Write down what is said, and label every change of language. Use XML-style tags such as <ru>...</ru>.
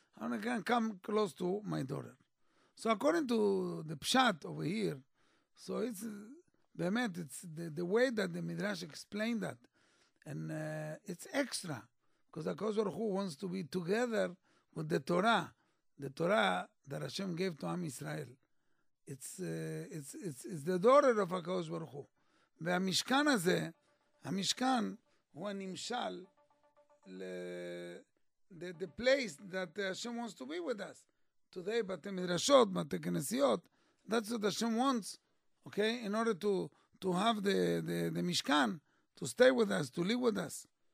<en>I'm going to come close to my daughter. So according to the pshat over here, so it's, Bemet, it's the way that the Midrash explained that. And it's extra. Because HaKadosh Baruch Hu wants to be together with the Torah. The Torah that Hashem gave to Am Yisrael. It's the daughter of HaKadosh Baruch Hu.</en> <he>והמשכן הזה, המשכן הוא הנמשל ל...</he> <en>the place that Hashem wants to be with us. Today,</en> <he>בתי מדרשות, בתי כנסיות,</he> <en>that's what Hashem wants, okay? In order to have the משכן, to stay with us, to live with us.</en>